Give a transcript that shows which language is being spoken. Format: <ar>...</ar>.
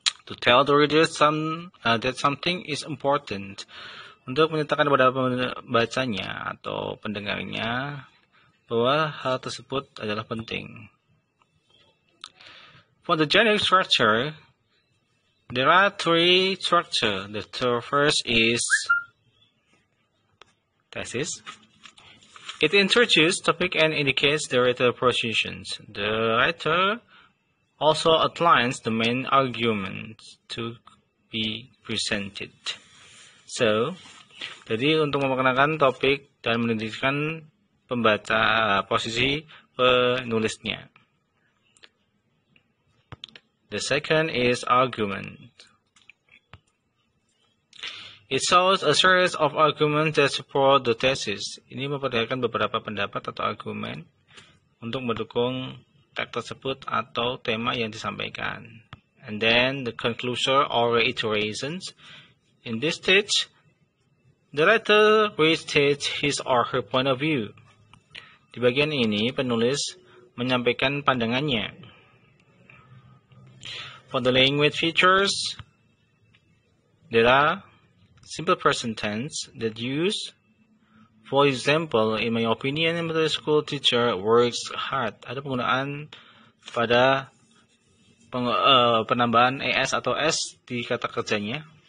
<en>To tell the reader some that something is important,</en> <id>untuk menyatakan kepada pembacanya atau pendengarnya bahwa hal tersebut adalah penting.</id> <en>For the generic structure, there are three structure. The first is thesis. It introduces topic and indicates the writer positions. The writer also outlines the main arguments to be presented.</en> <id>So, jadi untuk memperkenalkan topik dan menunjukkan pembaca posisi penulisnya.</id> <en>The second is argument. It shows a series of arguments that support the thesis.</en> <id>Ini memperlihatkan beberapa pendapat atau argumen untuk mendukung teks tersebut atau tema yang disampaikan.</id> <en>And then the conclusion or reiterations. In this stage, the writer restates his or her point of view.</en> <id>Di bagian ini, penulis menyampaikan pandangannya.</id> <en>For the language features, there are simple present tense that use. For example, in my opinion, a middle school teacher works hard.</en> <id>Ada penggunaan pada penambahan ES atau S di kata kerjanya.</id>